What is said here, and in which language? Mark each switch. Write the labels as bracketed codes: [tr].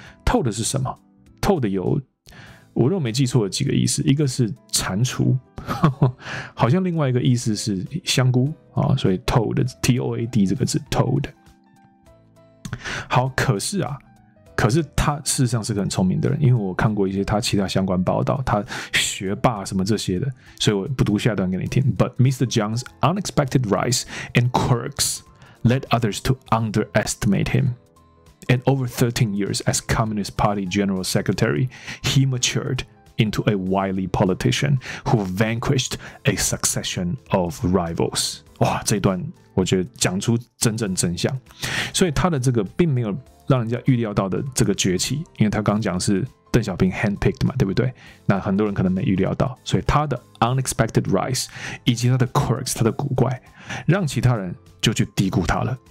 [zh] Toad 是什么 ？Toad 有。我如果没记错有几个意思，一个是蟾蜍，好像另外一个意思是香菇，所以 toad， T-O-A-D 这个字 toad。好，可是他事实上是个很聪明的人，因为我看过一些他其他相关报道，他学霸什么这些的，所以我不读下一段给你听。 [en] But Mr. Jiang's unexpected rise and quirks led others to underestimate him。 And over 13 years as Communist Party General Secretary, he matured into a wily politician who vanquished a succession of rivals. [zh] 哇，这一段我觉得讲出真正真相。所以他的这个并没有让人家预料到的这个崛起，因为他刚讲是邓小平 handpicked 嘛，对不对？那很多人可能没预料到，所以他的 [en] unexpected rise [zh] 以及他的 quirks 他的古怪，让其他人就去低估他了。